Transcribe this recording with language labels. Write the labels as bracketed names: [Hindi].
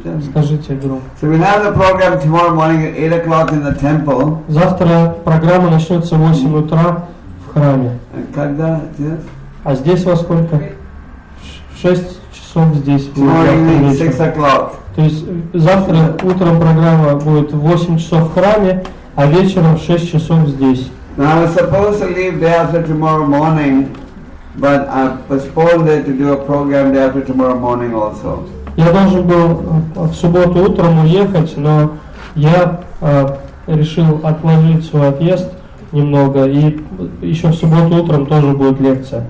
[Russian] Скажите громко. [English] So we have the program tomorrow morning at 8:00 in the temple. [Russian] Завтра программа начнется в 8 утра в храме. [English] And [Russian] когда здесь? А здесь во сколько? В 6:00 здесь. [English] Tomorrow evening, 6:00. [Russian] То есть завтра утром программа будет 8:00 в храме, а вечером 6:00 здесь. [English] Now I was supposed to leave there after tomorrow morning, But I postponed it to do a program day after tomorrow morning also. [Russian] Я должен был в субботу утром уехать, но я решил отложить свой отъезд немного, и еще в субботу утром тоже будет лекция.